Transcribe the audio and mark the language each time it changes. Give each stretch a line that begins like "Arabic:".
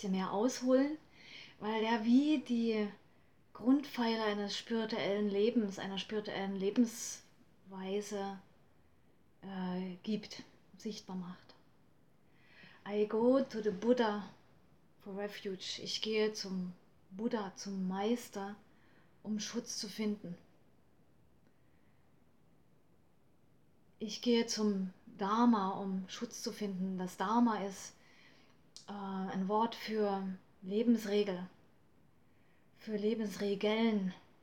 German: Ausholen, weil der wie die Grundpfeiler eines spirituellen Lebens, einer spirituellen Lebensweise gibt, sichtbar macht.
English: I go to the Buddha for refuge.
German: Ich gehe zum Buddha, zum Meister, um Schutz zu finden. Ich gehe zum Dharma, um Schutz zu finden. Das Dharma ist ein Wort für Lebensregel, für Lebensregeln.